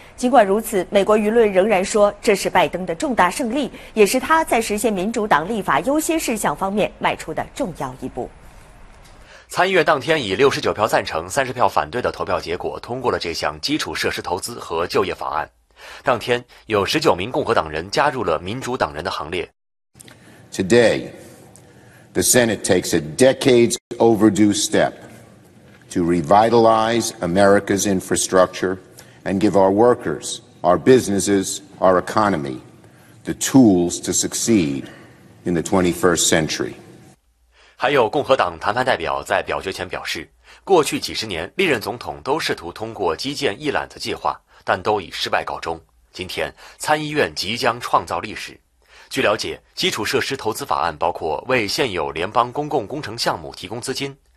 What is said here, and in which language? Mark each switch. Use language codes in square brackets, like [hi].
[zh] 尽管如此，美国舆论仍然说这是拜登的重大胜利，也是他在实现民主党立法优先事项方面迈出的重要一步。参议院当天以69票赞成、30票反对的投票结果通过了这项基础设施投资和就业法案。当天有19名共和党人加入了民主党人的行列。 [en] Today, the Senate takes a decades overdue step to revitalize America's infrastructure and give our workers, our businesses, our economy the tools to succeed in the 21st century. [zh] 还有共和党谈判代表在表决前表示，过去几十年历任总统都试图通过基建一揽子计划，但都以失败告终。今天参议院即将创造历史。据了解，基础设施投资法案包括为现有联邦公共工程项目提供资金，